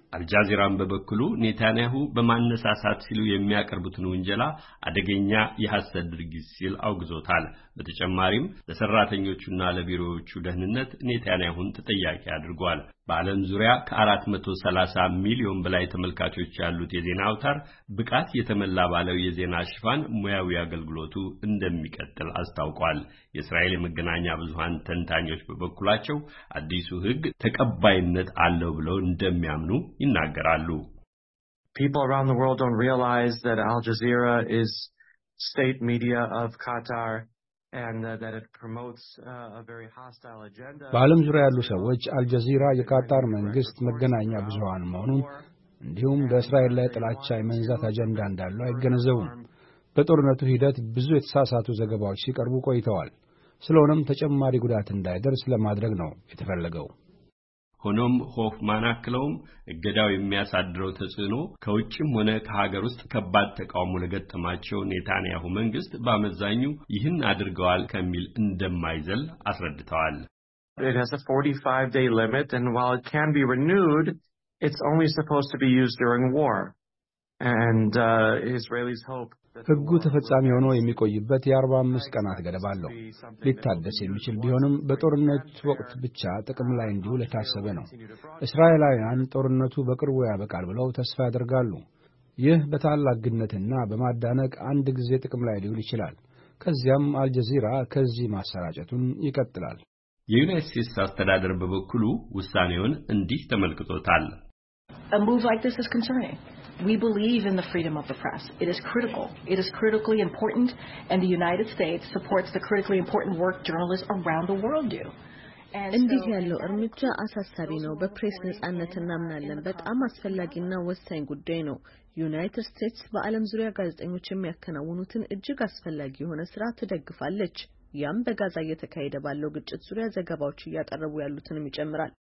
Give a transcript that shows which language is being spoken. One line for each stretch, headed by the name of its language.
Amharic: አልጃዚራን በበኩሉ ኔታንያሁ በማነሳሳት ሲሉ የሚያቀርቡትን ወንጀላ አደገኛ የሐሰት ድርጊት ሲል አውግዞታል። በተጨማሪም ለሰራተኞቹና ለቢሮዎቹ ደህንነት ኔታንያሁን ተጠያቂ አድርጓል። በዓለም ዙሪያ ከ430 ሚሊዮን በላይ ተመልካቾች ያሉት የዜና አውታር ብቃት የተመላ ባለው የዜና ሽፋን ሙያዊ አገልግሎቱ እንደሚቀጥል አስታውቋል። የእስራኤል መገናኛ ብዙሃን ተንታኞች በበኩላቸው አዲሱ ህግ ተቀባይነት አለው ብለው እንደሚያምኑ ይናገራሉ።
English: People around the world don't realize that Al Jazeera is state media of Qatar and that it promotes a very hostile agenda.
Amharic: በዓለም ዙሪያ ያሉ ሰዎች አልጀዚራ የካታር መንግስት መገናኛ ብዙሃን መሆኑን እንዲሁም በእስራኤል ላይ ጥላቻ የመንዛት አጀንዳ እንዳለው አይገነዘቡም። በጦርነቱ ሂደት ብዙ የተሳሳቱ ዘገባዎች ሲቀርቡ ቆይተዋል። ስለሆነም ተጨማሪ ጉዳት እንዳይደርስ ለማድረግ ነው የተፈለገው። ሆኖም ሆፍማን አክለውም እገዳው የሚያሳድረው ተጽዕኖ ከውጭም ሆነ ከሀገር ውስጥ ከባድ ተቃውሞ ለገጠማቸው ኔታንያሁ መንግስት በአመዛኙ ይህን አድርገዋል ከሚል እንደማይዘል አስረድተዋል።
English: It has a 45 day limit and while it can be renewed, it's only supposed to be used during war. And Israelis hope
Amharic: ህጉ ተፈጻሚ ሆኖ የሚቆይበት የ45 ቀናት ገደብ አለው። ሊታደስ የሚችል ቢሆንም በጦርነት ወቅት ብቻ ጥቅም ላይ እንዲውል ታሰበ ነው። እስራኤላውያን ጦርነቱ በቅርቡ ያበቃል ብለው ተስፋ ያደርጋሉ። ይህ በታላቅነትና በማዳነቅ አንድ ጊዜ ጥቅም ላይ ሊውል ይችላል። ከዚያም አልጀዚራ ከዚህ ማሰራጨቱን ይቀጥላል። የዩናይትድ ስቴትስ አስተዳደር በበኩሉ ውሳኔውን እንዲህ ተመልክቶታል።
English: A move like this is concerning. We believe in the freedom of the press. It is critical. It is critically important, and the United States supports the critically important work journalists around the world do.
Amharic: እንዲህ ያለው እርምጃ አሳሳቢ ነው። በፕሬስ ነጻነት እናምናለን። በጣም አስፈላጊና ወሳኝ ጉዳይ ነው። ዩናይትድ ስቴትስ በዓለም ዙሪያ ጋዜጠኞች የሚያከናውኑትን እጅግ አስፈላጊ የሆነ ሥራ ትደግፋለች። ያም በጋዛ እየተካሄደ ባለው ግጭት ዙሪያ ዘገባዎች እያቀረቡ ያሉትንም ይጨምራል።